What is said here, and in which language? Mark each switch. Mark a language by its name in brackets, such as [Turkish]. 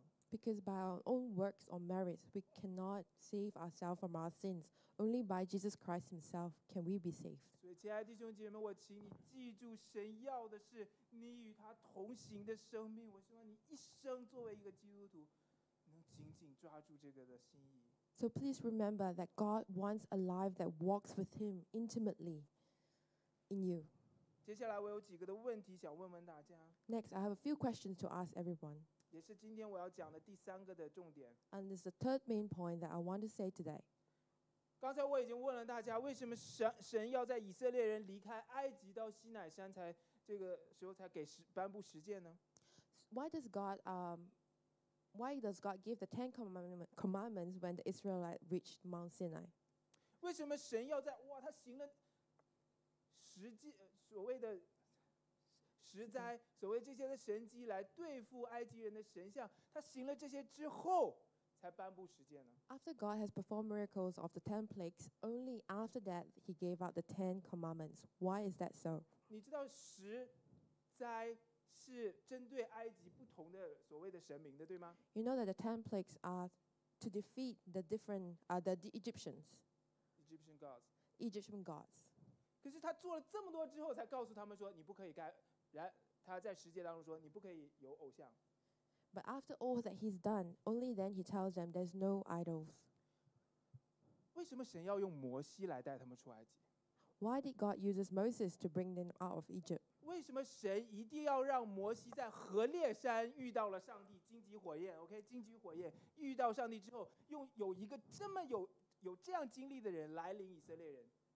[English] Because by our own works or merits, we cannot save ourselves from our sins. Only by Jesus Christ Himself can we be saved. [Chinese] 所以亲爱的弟兄姐妹，我请你记住，神要的是你与他同行的生命。我希望你一生作为一个基督徒。紧紧抓住这个的心意。 [English] So please remember that God wants a life that walks with Him intimately in you. [Chinese] 接下来我有几个的问题想问问大家。 [English] Next, I have a few questions to ask everyone. [Chinese] 也是今天我要讲的第三个的重点。 [English] And this is the third main point that I want to say today. [Chinese] 刚才我已经问了大家，为什么神要在以色列人离开埃及到西乃山才这个时候才给颁布十诫呢？ [English] Why does God Why does God give the Ten Commandments when the Israelites reached Mount Sinai? [Chinese] 为什么神要在哇他行了十迹所谓的十灾所谓这些的神迹来对付埃及人的神像？他行了这些之后，才颁布十诫呢？ [English] After God has performed miracles of the 10 plagues, only after that he gave out the 10 commandments. Why is that so? [Chinese] 你知道十灾是针对埃及不同的所谓的神明的，对吗？ [English] You know that the 10 plagues are to defeat the different, the Egyptians. Egyptian gods. Egyptian gods. [Chinese] 可是他做了这么多之后才告诉他们说你不可以干，然他在十诫当中说你不可以有偶像。 [English] But after all that he's done, only then he tells them there's no idols. [Chinese] 为什么神要用摩西来带他们出埃及？ [English] Why did God use Moses to bring them out of Egypt? [Chinese] 为什么神一定要让摩西在何烈山遇到了上帝，荆棘火焰？ OK， 荆棘火焰遇到上帝之后，用有一个这么有这样经历的人来领以色列人。